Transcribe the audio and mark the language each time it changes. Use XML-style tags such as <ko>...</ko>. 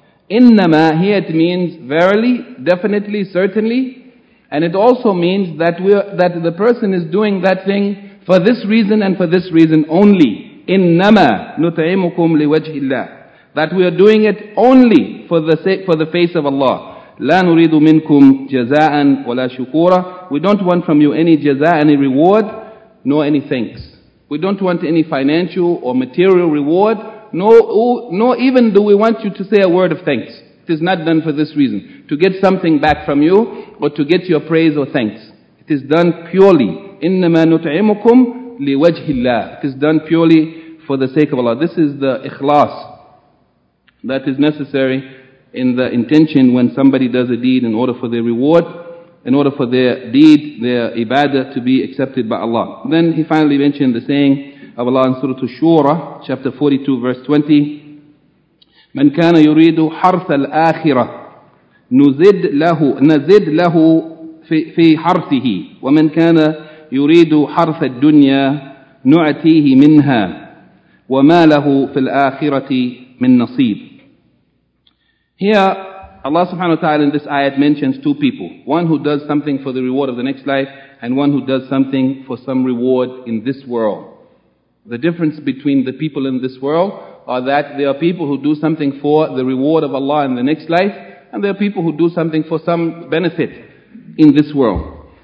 <ar>إِنَّمَا,</ar> <en>here it means verily, definitely, certainly, and it also means that the person is doing that thing for this reason and for this reason only.</en> <ar>إِنَّمَا نُطْعِمُكُمْ لِوَجْهِ اللَّهِ,</ar> <en>that we are doing it only for the face of Allah.</en> <ar>لا نريد منكم جزاء ولا شكورا.</ar> <en>We don't want from you any jaza, any reward, nor any thanks. We don't want any financial or material reward, nor even do we want you to say a word of thanks. It is not done for this reason, to get something back from you or to get your praise or thanks. It is done purely.</en> <ar>إنما نطعمكم لوجه الله.</ar> <en>It is done purely for the sake of Allah. This is the ikhlas that is necessary in the intention when somebody does a deed in order for their reward, in order for their deed, their ibadah to be accepted by Allah. Then he finally mentioned the saying of Allah in Surah Ash-Shura, chapter 42, verse 20.</en> <ar>من كان يريد حرث الآخرة نزد له في حرثه ومن كان يريد حرث الدنيا نعتيه منها وما له في الآخرة من نصيب.</ar> <en>Here, Allah subhanahu wa ta'ala in this ayat mentions two people. One who does something for the reward of the next life, and one who does something for some reward in this world. The difference between the people in this world are that there are people who do something for the reward of Allah in the next life, and there are people who do something for some benefit in this world.</en>